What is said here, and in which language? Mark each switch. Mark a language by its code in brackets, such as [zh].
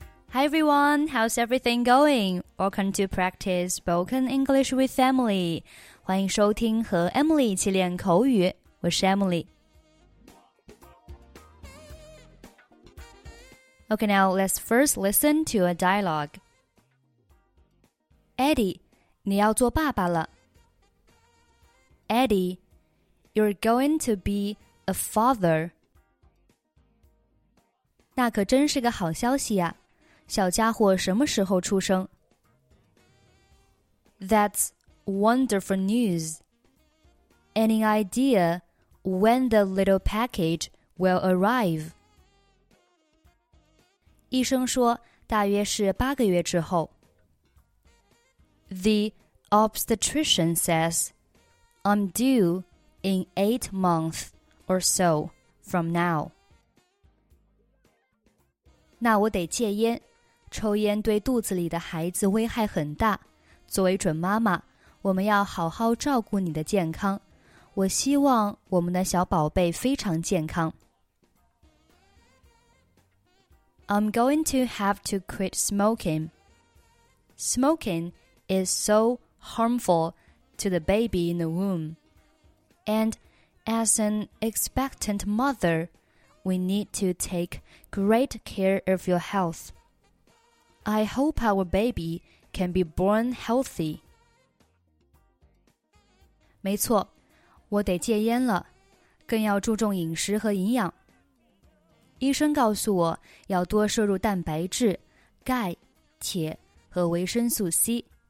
[en] Hi everyone, how's everything going? Welcome to practice spoken English with Emily. [zh] 欢迎收听和 Emily 一起练口语，我是 Emily. [en] Okay, now let's first listen to a dialogue. [zh] Eddie, 你要做爸爸了。 [en] Eddie, you're going to be a father. [zh] 那可真是个好消息啊。小家伙什么时候出生 [en] ?That's wonderful news. Any idea when the little package will arrive? [zh] 医生说大约是八个月之后。 [en] The obstetrician says, I'm due in 8 months or so from now. [zh] 那我得戒烟。抽烟对肚子里的孩子危害很大。作为准妈妈，我们要好好照顾你的健康。我希望我们的小宝贝非常健康。 [en] I'm going to have to quit smoking. Smoking is so harmful to the baby in the womb. And as an expectant mother, we need to take great care of your health. I hope our baby can be born healthy. [zh] 没错，我得戒烟了，更要注重饮食和营养。医生告诉我要多摄入蛋白质、钙、铁和维生素 C。